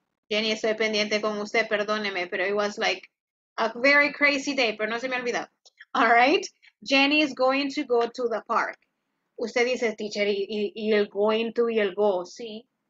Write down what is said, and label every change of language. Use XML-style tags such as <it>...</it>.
<es>Jenny, estoy pendiente con usted, perdóneme, pero</es> <en>it was like a very crazy day,</en> <es>pero no se me olvidó.</es> <en>All right? Jenny is going to go to the park.</en> <es>Usted dice, teacher, y el going to y el go, sí.</es>